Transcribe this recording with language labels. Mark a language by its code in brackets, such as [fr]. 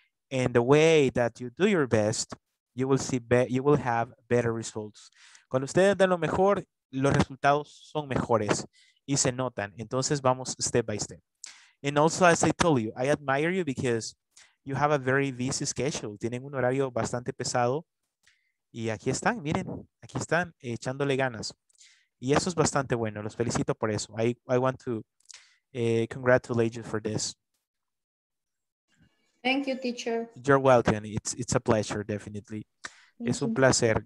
[en] And the way that you do your best, you will see you will have better results. [es] Cuando ustedes den lo mejor, los resultados son mejores y se notan. Entonces vamos [en] step by step. And also, as I told you, I admire you because you have a very busy schedule. [es] Tienen un horario bastante pesado y aquí están, miren, aquí están echándole ganas. Y eso es bastante bueno. Los felicito por eso. [en] I want to congratulate you for this. Thank you, teacher. You're welcome. It's a pleasure, definitely. Mm-hmm. [es] Es un placer.